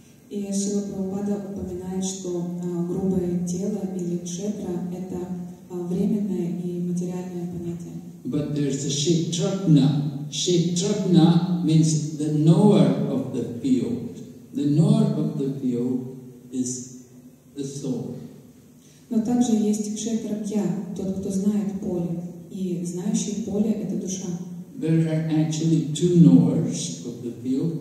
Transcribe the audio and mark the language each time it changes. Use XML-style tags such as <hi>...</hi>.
<ru>И Шрила Прабхупада упоминает, что грубое тело или кшетра — это временное и материальное понятие.</ru> <en>But there's a кшетрагна. Кшетрагна means the knower of the field. The knower of the field is the soul.</en> <ru>Но также есть кшетрагья, тот, кто знает поле. И знающий поле — это душа.</ru> <en>There are actually two knowers of the field.</en>